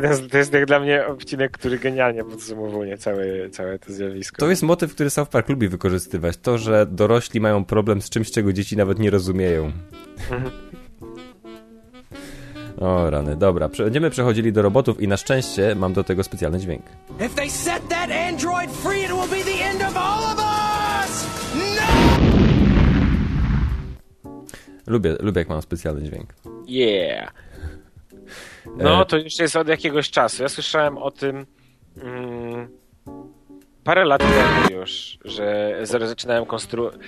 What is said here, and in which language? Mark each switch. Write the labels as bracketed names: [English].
[Polish] To jest jak dla mnie odcinek, który genialnie podsumowuje całe to zjawisko. To jest motyw, który South Park lubi wykorzystywać. To, że dorośli mają problem z czymś, czego dzieci nawet nie rozumieją. O rany, dobra. Będziemy przechodzili do robotów i na szczęście mam do tego specjalny dźwięk. [English] If they set that android free, it will be the end of all of us! No! [Polish] Lubię, jak mam specjalny dźwięk. [English] Yeah. [Polish] No, to już jest od jakiegoś czasu. Ja słyszałem o tym parę lat temu już, że zaczynałem konstruować.